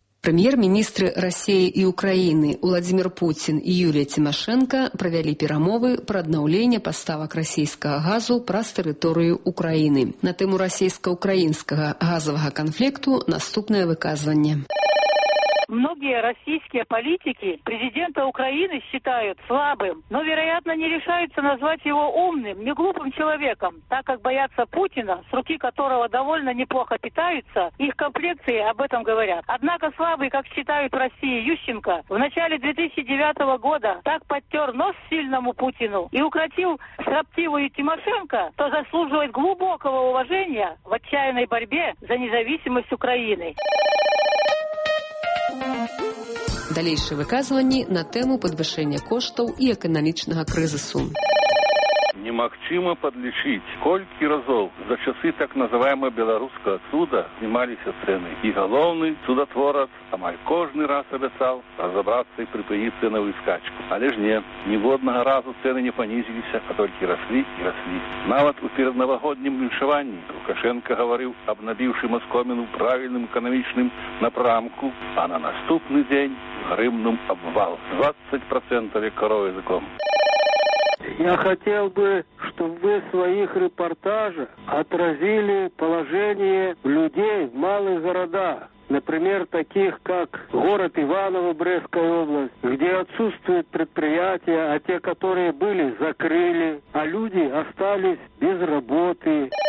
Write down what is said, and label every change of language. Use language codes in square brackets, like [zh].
[be] Прэм'ер-міністры Расіі і Украіны Уладзімір Пуцін і Юлія Цімашэнка правялі перамовы пра аднаўленне паставак расійскага газу праз тэрыторыю Украіны. На тэму расійска-украінскага газавага канфлікту наступнае выказванне. [ru] Многие российские политики президента Украины считают слабым, но, вероятно, не решаются назвать его умным, не глупым человеком, так как боятся Путина, с руки которого довольно неплохо питаются, их комплекции об этом говорят. Однако слабый, как считают в России, Ющенко в начале 2009 года так подтер нос сильному Путину и укротил строптивую Тимошенко, то заслуживает глубокого уважения в отчаянной борьбе за независимость Украины. [be] Далейшыя выказванні на тэму падвышэння коштаў і эканамічнага крызісу. Немагчыма подлічыць, колькі разоў за часы [ru] так называемого [be] беларускага суда знімаліся цэны. І галоўны судатворац амаль кожны раз абяцаў разабрацца і прыпыніцца на выскачку. Але ж не, ніводнага разу цэны не панізіліся, а толькі раслі і раслі. Нават у перадновагоднім віншаванні Лукашенко гаварыў, абнабіўшы маскоміну правільным эканамічным напрамку, а на наступны дзень грымнум абвал. [ru] 20% коровы языком. Я хотел бы, чтобы вы в своих репортажах отразили положение людей в малых городах. Например, таких как город Иваново, Брестская область, где отсутствуют предприятия, а те, которые были, закрыли, а люди остались без работы.